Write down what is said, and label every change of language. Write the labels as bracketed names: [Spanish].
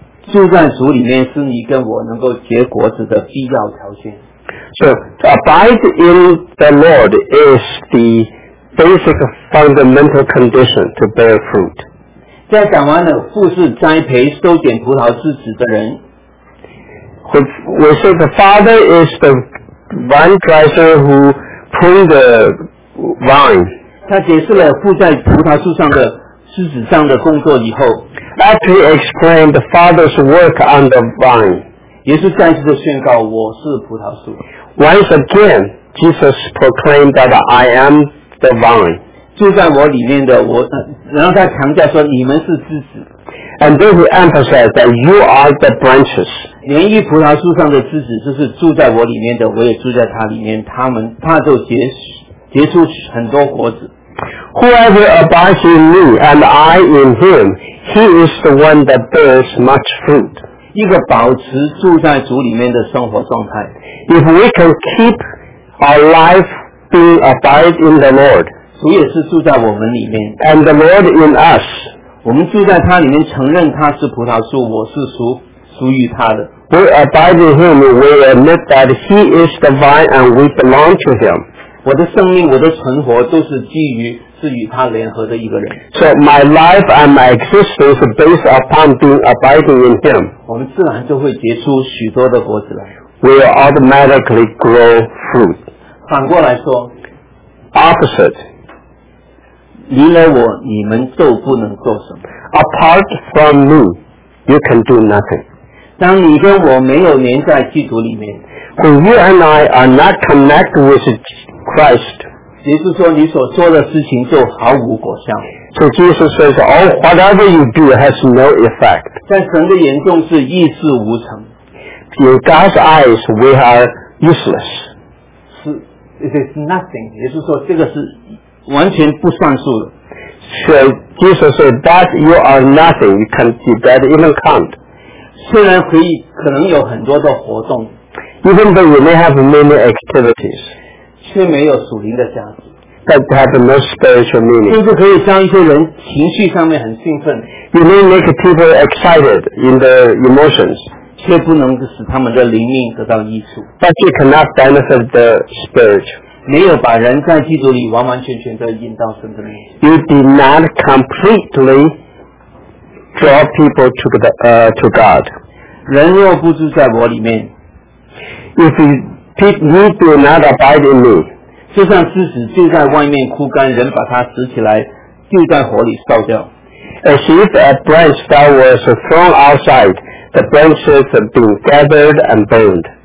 [Chinese] 住在主里面是你跟我能够结果子的必要条件。 [English] So, to abide in the Lord is the basic fundamental condition to bear fruit. [Chinese] 在讲完了父是栽培收捡葡萄枝子的人。 [English] We say the Father is the vine dresser who prunes the vine. [Chinese] 他解释了父在葡萄树上的枝子上的工作以后。 [English] After he explained the Father's work on the vine. [Chinese] 耶稣再次的宣告，我是葡萄树。 [English] Once again, Jesus proclaimed that I am the vine. [Chinese] 住在我里面的我，然后他强调说，你们是枝子。 [English] And then he emphasized that you are the branches. [Chinese] 连于葡萄树上的枝子，就是住在我里面的，我也住在他里面，他就结出很多果子。 [English] Whoever abides in me and I in him, he is the one that bears much fruit. [Chinese] 一个保持住在主里面的生活状态。 [English] If we can keep our life being abide in the Lord, [Chinese] 主也是住在我们里面。 [English] And the Lord in us, [Chinese] 我们住在他里面，承认他是葡萄树，我是属于他的。 [English] We abide in him, we admit that he is the vine and we belong to him. [Chinese] 我的生命，我的存活都是基于是与他联合的一个人。 [English] So my life and my existence is based upon being abiding in Him. [Chinese] 我们自然就会结出许多的果子来。 [English] We automatically grow fruit. [Chinese] 反过来说 [English] ，opposite. [Chinese] 离了我，你们就不能做什么。 [English] Apart from me, you can do nothing. [Chinese] 当你跟我没有连在基督里面 [English] ，When you and I are not connected with Christ. [Chinese] 也就是说你所做的事情就毫无果效。 [English] So Jesus says, all whatever you do has no effect. [Chinese] 在神的眼中是一事无成。 [English] In God's eyes, we are useless. 是 It is nothing. [Chinese] 也就是说这个是完全不算数的。 [English] So Jesus said, that you are nothing. You can't that even count. [Chinese] 虽然可以可能有很多的活动。 [English] Even though you may have many activities. [Chinese] 却没有属灵的价值。 [English] That have no spiritual meaning. [Chinese] 甚至可以将一些人情绪上面很兴奋。 [English] You may make people excited in their emotions. [Chinese] 却不能使他们的灵命得到益处。 [English] But you cannot benefit the spirit. [Chinese] 没有把人在基督里完完全全的引到神的面前。 [English] You did not completely draw people to God. [Chinese] 人若不住在我里面。 [English] If you,People do not abide in me. [Chinese] 就像狮子就在外面枯干，人把它拾起来，丢在火里烧掉。 [English] As if a branch that was thrown outside, the branches have been gathered and burned.